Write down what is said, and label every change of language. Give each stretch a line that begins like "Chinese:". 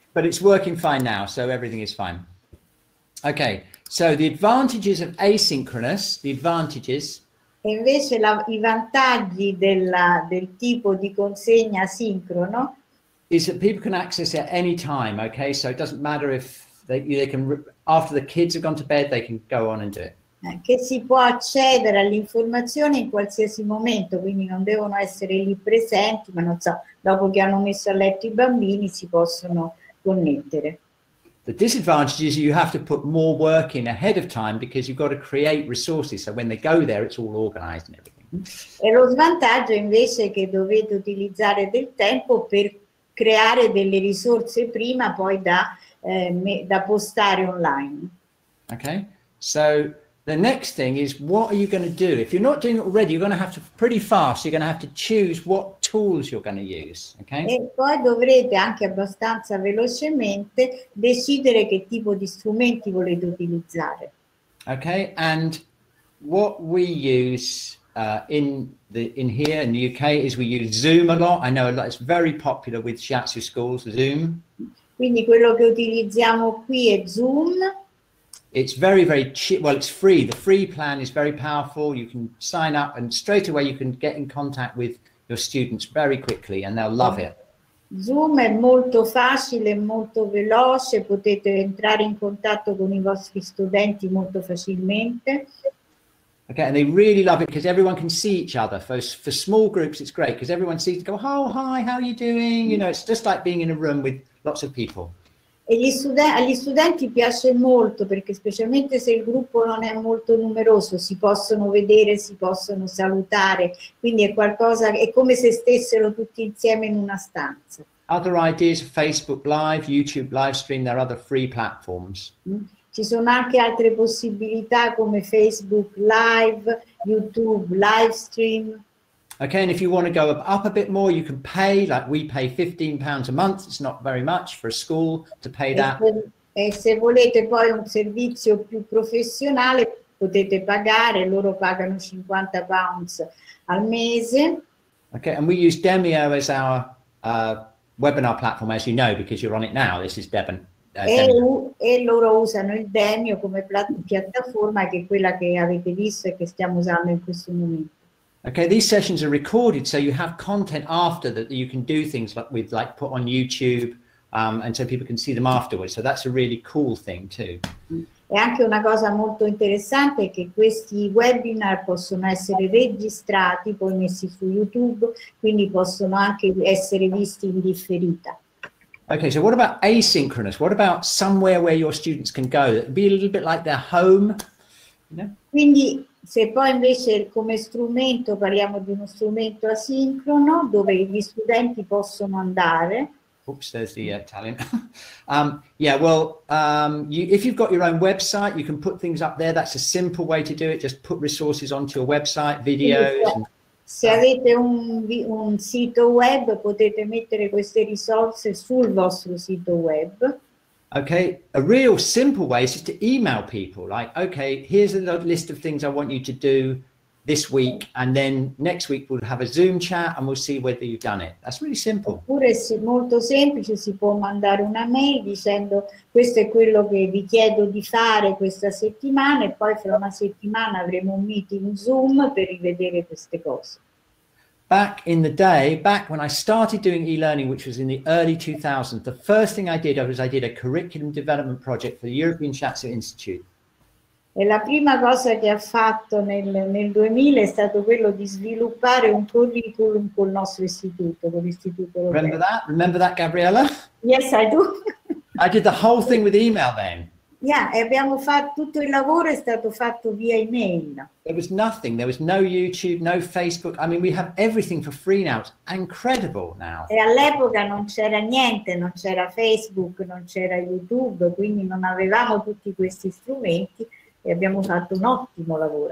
English: But it's working fine now, so everything is fine. Okay. So the advantages of asynchronous, the advantages.
Italian: E invece i vantaggi del tipo di consegna sincrono.
English: Is that people can access it at any time, okay? So it doesn't matter if they can, after the kids have gone to bed, they can go on and do it.
Italian: Che si può accedere all'informazione in qualsiasi momento, quindi non devono essere lì presenti, ma non so, dopo che hanno messo a letto i bambini si possono connettere.
English: The disadvantage is you have to put more work in ahead of time because you've got to create resources. So when they go there, it's all organized and everything.
Italian: E lo svantaggio invece è che dovete utilizzare del tempo per creare delle risorse prima poi da postare online.
English: Okay. So The next thing is, what are you going to do? If you're not doing it already, you're going to have to, pretty fast, you're going to have to choose what tools you're going to use, okay?
Italian: E poi dovrete anche abbastanza velocemente decidere che tipo di strumenti volete utilizzare.
English: Okay, and what we use in here in the UK is we use Zoom a lot. I know it's very popular with Shiatsu schools, Zoom.
Italian: Quindi quello che utilizziamo qui è Zoom.
English: It's very, very cheap. Well, it's free. The free plan is very powerful. You can sign up and straight away you can get in contact with your students very quickly and they'll love it.
Italian: Zoom è molto facile, molto veloce. Potete entrare in contatto con i vostri studenti molto facilmente.
English: Okay, and they really love it because everyone can see each other. For small groups, it's great because everyone sees, go, oh, hi, how are you doing? You know, it's just like being in a room with lots of people.
Italian: E agli studenti piace molto perché specialmente se il gruppo non è molto numeroso si possono vedere, si possono salutare, quindi è qualcosa, è come se stessero tutti insieme in una stanza.
English: Other ideas, Facebook Live, YouTube live stream, there are other free platforms.
Italian: Ci sono anche altre possibilità come Facebook Live, YouTube live stream.
English: Okay, and if you want to go up a bit more, you can pay, like we pay £15 a month. It's not very much for a school to pay that.
Italian: E se volete poi un servizio più professionale, potete pagare. Loro pagano £50 al mese.
English: Okay, and we use Demio as our webinar platform, as you know, because you're on it now. This is Devon.
Italian: E loro usano il Demio come piattaforma, che è quella che avete visto e che stiamo usando in questo momento.
English: Okay, these sessions are recorded, so you have content after that you can do things like with, like put on YouTube, and so people can see them afterwards. So that's a really cool thing too.
Italian: E anche una cosa molto interessante è che questi webinar possono essere registrati, poi messi su YouTube, quindi possono anche essere visti in differita.
English: Okay, so what about asynchronous? What about somewhere where your students can go? It'd be a little bit like their home, you know?
Italian: Quindi se poi invece come strumento parliamo di uno strumento asincrono dove gli studenti possono andare.
English: Oops, there's the Italian. If you've got your own website, you can put things up there. That's a simple way to do it. Just put resources onto your website, videos.
Italian: Se avete un sito web, potete mettere queste risorse sul vostro sito web.
English: Okay, a real simple way is just to email people, like, okay, here's a list of things I want you to do this week, and then next week we'll have a Zoom chat and we'll see whether you've done it. That's really simple.
Italian: Oppure è molto semplice, si può mandare una mail dicendo questo è quello che vi chiedo di fare questa settimana e poi fra una settimana avremo un meeting Zoom per rivedere queste cose.
English: Back in the day, back when I started doing e-learning, which was in the early 2000s, the first thing I did was I did a curriculum development project for the European Shiatsu Institute.
Italian: E la prima cosa che ha fatto nel 2000 è stato quello di sviluppare un curriculum col nostro istituto, con l'istituto.
English: Remember that? Remember that, Gabriella? Yes, I do. I did the whole thing with email then.
Italian: Yeah, e abbiamo fatto tutto il lavoro è stato fatto via email.
English: There was nothing, there was no YouTube, no Facebook. I mean, we have everything for free now. It's incredible now.
Italian: E all'epoca non c'era niente, non c'era Facebook, non c'era YouTube, quindi non avevamo tutti questi strumenti e abbiamo fatto un ottimo lavoro.